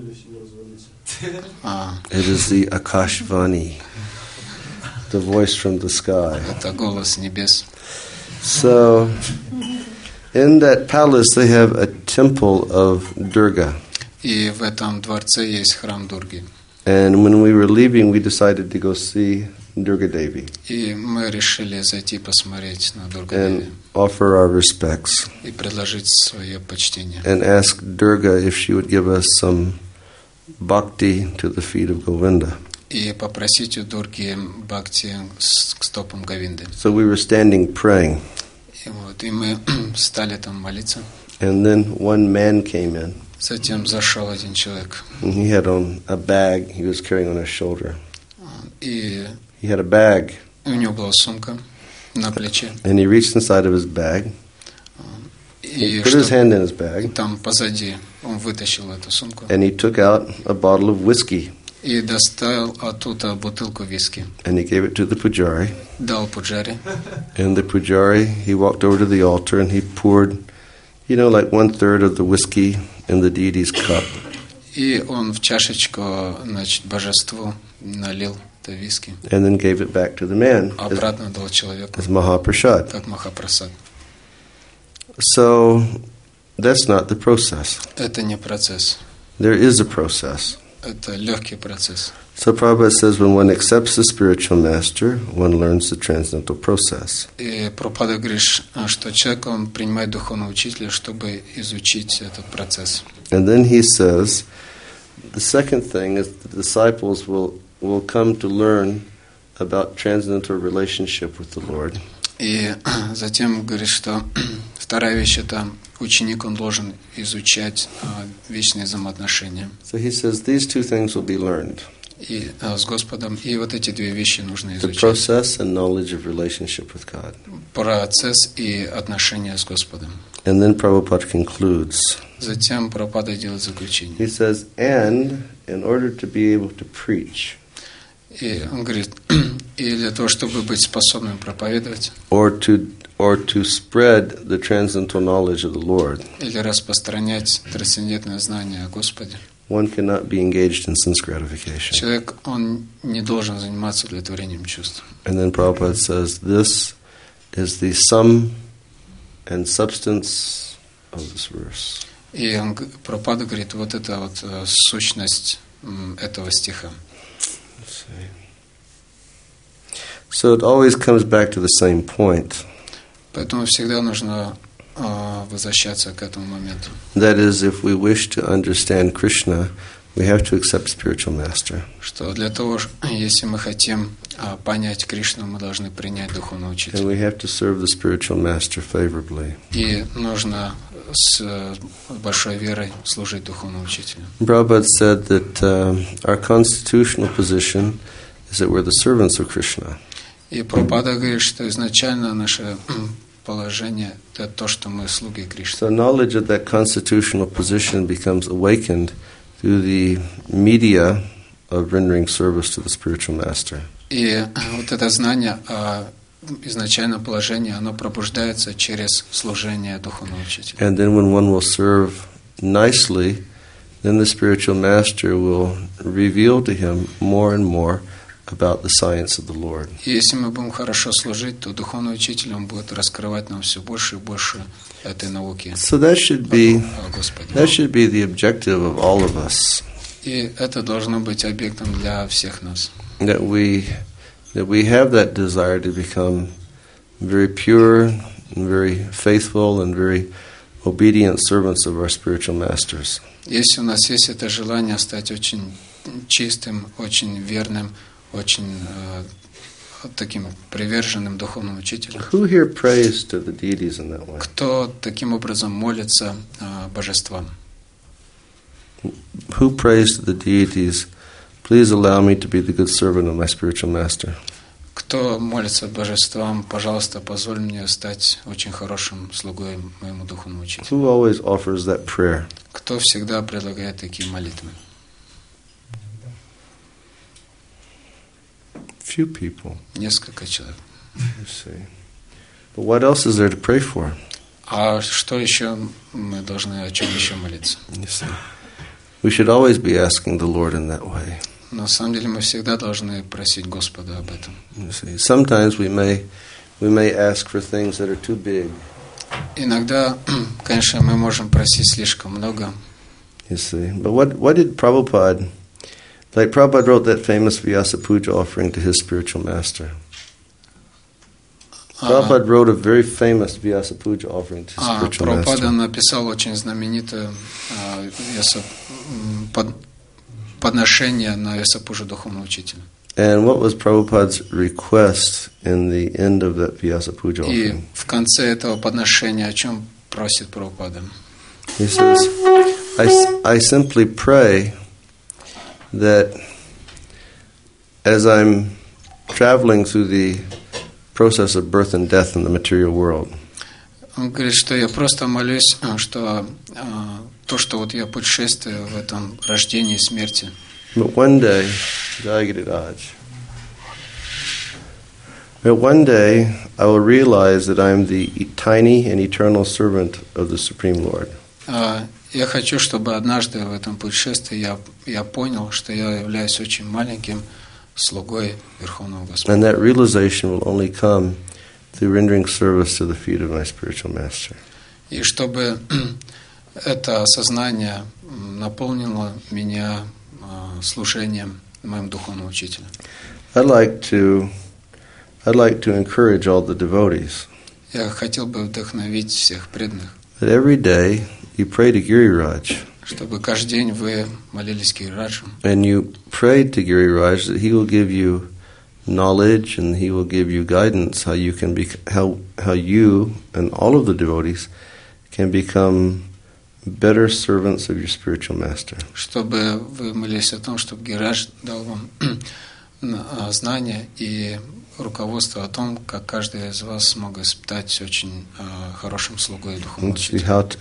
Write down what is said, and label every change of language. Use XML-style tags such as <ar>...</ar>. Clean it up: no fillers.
<en>It is the Akashvani, the voice from the sky.</en> <ru>Это голос небес.</ru> <en>So, in that palace, they have a temple of Durga.</en> <ru>И в этом дворце есть храм Дурги.</ru> <en>And when we were leaving, we decided to go see Durga Devi.</en> <ru>И мы решили зайти посмотреть на Дурга</ru> <en>Деви. And offer our respects.</en> <ru>И предложить свое почтение.</ru> <en>And ask Durga if she would give us some bhakti to the feet of Govinda.</en> <ru>И попросить у Дурги бхакти к стопам Говинды.</ru> <en>So we were standing praying.</en> <ru>И вот, и мы стали там молиться.</ru> <en>And then one man came in.</en> <ru>Затем зашел один человек.</ru> <en>He had on a bag he was carrying on his shoulder.</en> <ru>И</ru> <en>he had a bag.</en> <ru>У него была сумка на плече.</ru> <en>And he reached inside of his bag.</en> <ru>И</ru> <en>he put his hand in his bag.</en> <ru>Там позади он вытащил эту сумку.</ru> <en>And he took out a bottle of whiskey.</en> <ru>И достал оттуда бутылку виски.</ru> <en>And he gave it to the pujari.</en> <ru>Дал пуджари.</ru> <en>And the pujari, he walked over to the altar and he poured, you know, like 1/3 of the whiskey in the deity's cup.</en> <ru>И он в чашечку, значит, божеству налил это виски.</ru> <en>And then gave it back to the man.</en> <ru>Обратно дал человеку.</ru> <en>As Mahaprasad.</en> <ru>Как Махапрасад.</ru> <en>So that's not the process.</en> <ru>Это не процесс.</ru> <en>There is a process.</en> <ru>Это легкий процесс.</ru> <en>So Prabhupada says, when one accepts the spiritual master, one learns the transcendental process.</en> <ru>И Прабхупада говорит, что человек он принимает духовного учителя, чтобы изучить этот процесс.</ru> <en>And then he says, the second thing is the disciples will come to learn about transcendental relationship with the Lord.</en> <ru>И затем говорит, что вторая вещь это ученик он должен изучать вечные взаимоотношения.</ru> <en>So he says these two things will be learned.</en> <ru>И с Господом и вот эти две вещи нужно изучать.</ru> <en>The process and knowledge of relationship with God.</en> <ru>Процесс и отношения с Господом.</ru> <en>And then Prabhupada concludes.</en> <ru>Затем Прабхупада делает заключение.</ru> <en>He says, and in order to be able to preach.</en> <ru>И он говорит, и для того, чтобы быть способным проповедовать.</ru> <en>Or to spread the transcendental knowledge of the Lord.</en> <ru>Или распространять трансцендентное знание о Господе.</ru> <en>One cannot be engaged in sense gratification.</en> <ru>Человек он не должен заниматься удовлетворением чувств.</ru> <en>And then Prabhupada says, this is the sum and substance of this verse.</en> <ru>И Прабхупада говорит, вот это вот сущность этого стиха.</ru> <en>So it always comes back to the same point.</en> <ru>Поэтому всегда нужно возвращаться к этому моменту.</ru> <en>That is, if we wish to understand Krishna, we have to accept spiritual master.</en> <ru>Что для того, если мы хотим понять Кришну, мы должны принять духовного учителя.</ru> <en>And we have to serve the spiritual master favorably.</en> <ru>И нужно с большой верой служить духовному учителю.</ru> <en>Prabhupada said that our constitutional position is that we're the servants of Krishna.</en> <ru>И Прабхупада говорит, что изначально наше положение это то, что мы слуги Кришны.</ru> <en>So knowledge of that constitutional position becomes awakened through the media of rendering service to the spiritual master.</en> <ru>И вот это знание о изначальном положении, оно пробуждается через служение духовному учителю.</ru> <en>And then when one will serve nicely, then the spiritual master will reveal to him more and more about the science of the Lord.</en> <ru>Если мы будем хорошо служить, то духовный учитель он будет раскрывать нам все больше и больше этой науки.</ru> <en>So that should be the objective of all of us.</en> <ru>И это должно быть объектом для всех нас.</ru> <en>That we have that desire to become very pure, and very faithful, and very obedient servants of our spiritual masters.</en> <ru>Если у нас есть это желание стать очень чистым, очень верным, очень таким приверженным духовным учителем.</ru> <en>Who here prays to the deities in that way?</en> <ru>Кто таким образом молится божествам?</ru> <en>Who prays to the deities? Please allow me to be the good servant of my spiritual master.</en> <ru>Кто молится божествам, пожалуйста, позволь мне стать очень хорошим слугой моему духовному учителю.</ru> <en>Who always offers that prayer?</en> <ru>Кто всегда предлагает такие молитвы?</ru> <en>Few people.</en> <ru>Несколько человек.</ru> <en>But what else is there to pray for?</en> <ru>А что еще мы должны, о чем еще молиться?</ru> <en>We should always be asking the Lord in that way.</en> <ru>На самом деле мы всегда должны просить Господа об этом.</ru> <en>Sometimes we may ask for things that are too big.</en> <ru>Иногда, конечно, мы можем просить слишком много.</ru> <en>But what did Prabhupada, like Prabhupada wrote that famous Vyasa Puja offering to his spiritual master. Prabhupada wrote a very famous Vyasa Puja offering to his spiritual master.</en> <ru>Прабхупада написал очень знаменитое Vyasa подношение на Ясапужу духовного учителя.</ru> <en>And what was Prabhupada's request in the end of that Vyasa Puja offering?</en> <ru>И в конце этого подношения о чем просит Прабхупада?</ru> <en>He says, I simply pray that as I'm traveling through the process of birth and death in the material world.</en> <ru>Он говорит, что я просто молюсь, что то, что вот я путешествую в этом рождении и смерти.</ru> <en>But one day, Jagadiraj, but one day I will realize that I am the tiny and eternal servant of the Supreme Lord.</en> <ru>Я хочу, чтобы однажды в этом путешествии я понял, что я являюсь очень маленьким слугой Верховного Господа.</ru> <en>And that realization will only come through rendering service to the feet of my spiritual master.</en> <ru>И чтобы это осознание наполнило меня служением моим духовным учителем.</ru> <en>I'd like to encourage all the devotees.</en> <ru>Я хотел бы вдохновить всех преданных.</ru> <en>That every day you pray to Giriraj.</en> <ru>Чтобы каждый день вы молились Гирираджу.</ru> <en>And you pray to Giriraj that he will give you knowledge and he will give you guidance how you can be how you and all of the devotees can become better servants of your spiritual master.</en> <ru>Чтобы вы молились о том, чтобы Гирираж дал вам знания и руководство о том, как каждый из вас мог стать очень хорошим слугой и духовным учителем.</ru>